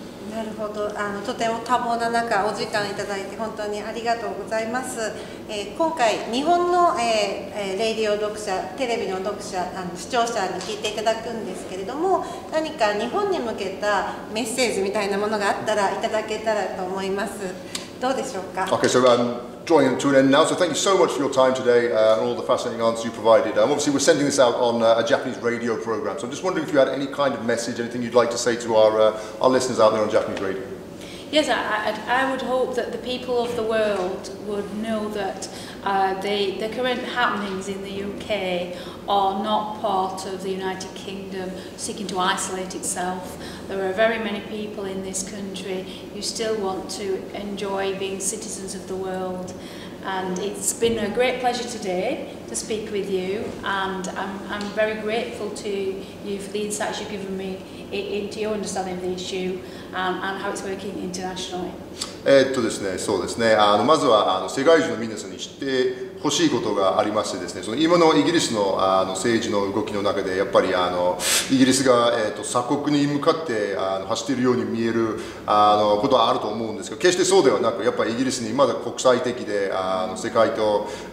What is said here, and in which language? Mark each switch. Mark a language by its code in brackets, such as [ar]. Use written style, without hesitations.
[ja] なるほど、とても多忙な中お時間いただいて本当にありがとうございます。今回日本の、レディオ読者、テレビの読者、視聴者に聞いていただくんですけれども、何か日本に向けたメッセージみたいなものがあったらいただけたらと思います。どうでしょうか。 [en] OK, so joining to an end now, so thank you so much for your time today and all the fascinating answers you provided. Obviously we're sending this out on a Japanese radio program, so I'm just wondering if you had any kind of message, anything you'd like to say to our listeners out there on Japanese radio. Yes, I would hope that the people of the world would know that the current happenings in the UK are not part of the United Kingdom seeking to isolate itself. There are very many people in this country who still want to enjoy being citizens of the world. And it's been a great pleasure today to speak with you. And I'm very grateful to you for the insights you've given me into your understanding of the issue and how it's working internationally. [ja] ですね、そうですね、まずは世界中の皆さんに知ってほしいことがありましてですね、その今のイギリス の, 政治の動きの中で、やっぱりイギリスが、鎖国に向かって走っているように見えることはあると思うんですけど、決してそうではなく、やっぱりイギリスにまだ国際的で世界と